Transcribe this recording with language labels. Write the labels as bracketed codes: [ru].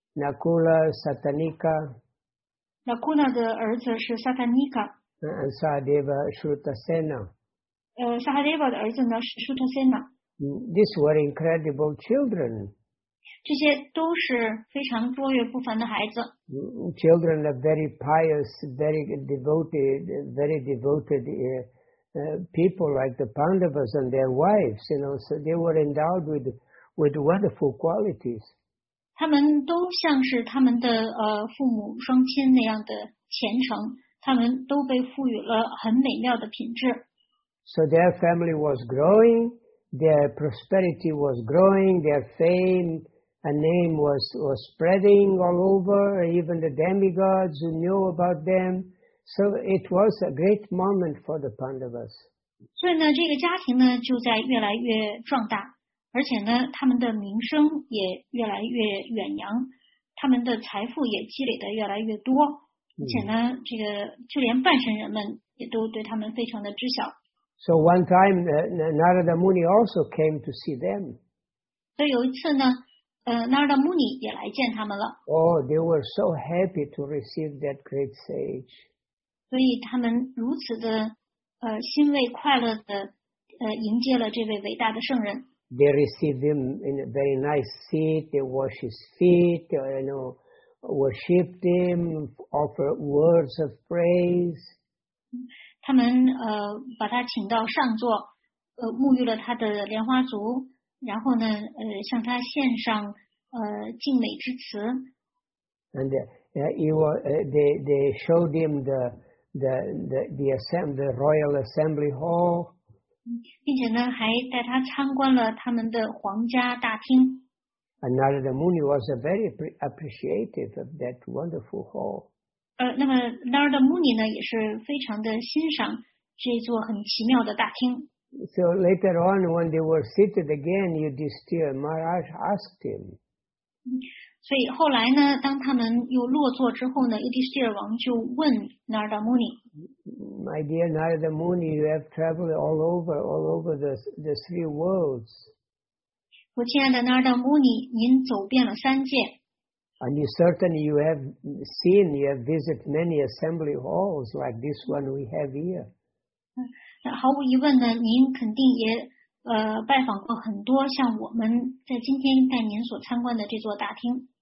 [en] Nakula, Satanika. [zh] Nakula 的儿子是 Satanika。 [en] And Sahadeva Shrutasena. [zh] Sahadeva 的儿子呢是 Shrutasena。 [en] These were incredible children. [zh] 这些都是非常卓越不凡的孩子。 [en] Children are very pious, very devoted, people like the Pandavas and their wives, you know, so they were endowed with wonderful qualities. [zh] 他们都像是他们的父母双亲那样的虔诚，他们都被赋予了很美妙的品质。 [en] So their family was growing, their prosperity was growing, their fame and name was spreading all over, even the demigods who knew about them. So it was a great moment for the Pandavas. [zh] 所以呢，这个家庭呢就在越来越壮大，而且呢，他们的名声也越来越远扬，他们的财富也积累的越来越多，而且呢，这个就连半神人们也都对他们非常的知晓。 [en] So one time, Narada Muni also came to see them. [zh] 所以有一次呢，Narada Muni 也来见他们了。 [en] Oh, they were so happy to receive that great sage. [zh] 所以他们如此的欣慰快乐的迎接了这位伟大的圣人。 [en] They received him in a very nice seat, they wash his feet, you know, worshipped him, offered words of praise. [zh] 他们把他请到上座沐浴了他的莲花足，然后呢向他献上敬美之词。 [en] And they showed him the assembly, royal assembly hall. [zh] 并且呢，还带他参观了他们的皇家大厅。 [en] And Narada Muni was a very appreciative of that wonderful hall. [zh] 那么 Narada Muni 呢，也是非常的欣赏这座很奇妙的大厅。 [en] So later on, when they were seated again, Yudhisthira Maharaj asked him. [zh] 所以后来呢，当他们又落座之后呢，尤迪斯提尔王就问 Narada Muni， [en] My dear Narada Muni, you have traveled all over the three worlds. [zh] 我亲爱的 Narada Muni， 您走遍了三界。 [en] And you certainly you have seen, you have visited many assembly halls like this one we have here. [zh] 毫无疑问呢，您肯定也拜访过很多像我们在今天带您所参观的这座大厅。